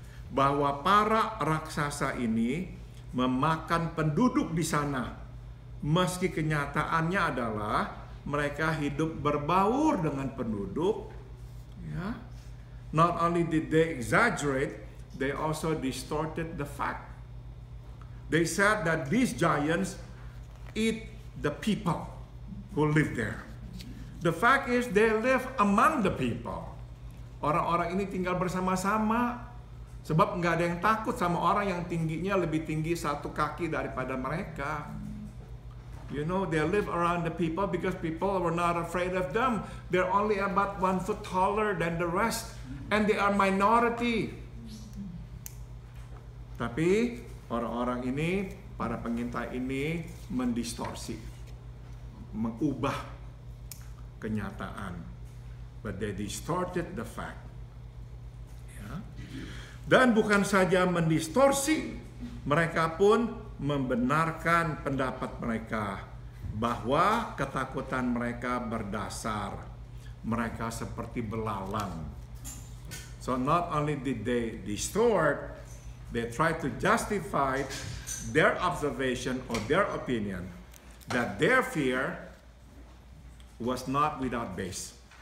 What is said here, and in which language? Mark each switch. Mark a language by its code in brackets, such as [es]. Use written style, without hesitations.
[id] Bahwa para raksasa ini memakan penduduk di sana. Meski kenyataannya adalah mereka hidup berbaur dengan penduduk. Ya. [en] Not only did they exaggerate, they also distorted the fact. They said that these giants eat the people who live there. The fact is they live among the people. [id] Orang-orang ini tinggal bersama-sama. Sebab gak ada yang takut sama orang yang tingginya lebih tinggi satu kaki daripada mereka. [en] You know, they live around the people because people were not afraid of them. They're only about 1 foot taller than the rest. And they are minority. [id] Tapi orang-orang ini, para pengintai ini mendistorsi, mengubah kenyataan. [en] But they distorted the fact. Ya. [id] Dan bukan saja mendistorsi, mereka pun membenarkan pendapat mereka bahwa ketakutan mereka berdasar. Mereka seperti belalang. [en] So not only did they distort, they try to justify their observation or their opinion that their fear was not without base.